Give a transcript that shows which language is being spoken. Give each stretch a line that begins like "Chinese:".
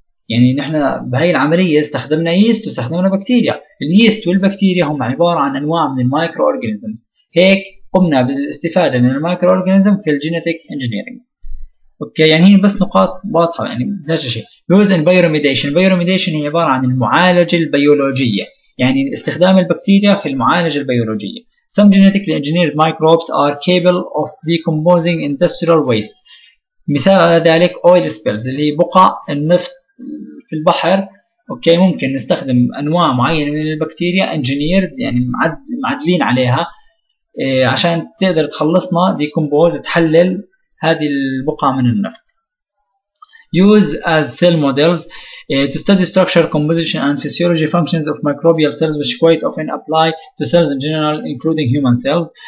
Arabic: يعني نحن بهي العمليه استخدمنا ييست واستخدمنا بكتيريا الييست والبكتيريا هم عباره عن انواع من المايكرو اورجانيزم هيك قمنا بالاستفاده من المايكرو اورجانيزم في الجينيتك انجينيرنج اوكي يعني هي بس نقاط واضحه يعني بدهاش شيء.
English: use in bioremediation,
Arabic: بايروميديشن هي عباره عن المعالجه البيولوجيه، يعني استخدام البكتيريا في المعالجه البيولوجيه.
English: Some genetically engineered microbes are capable of decomposing industrial waste.
Arabic: مثال على ذلك oil spills اللي هي بقع النفط في البحر، اوكي ممكن نستخدم انواع معينه من البكتيريا engineered يعني معدلين عليها عشان تقدر تخلصنا decompose تحلل هذه البقعة من النفط.
English: Use as cell models to study structure, composition and physiology functions of microbial cells which quite often apply to cells in general including human cells.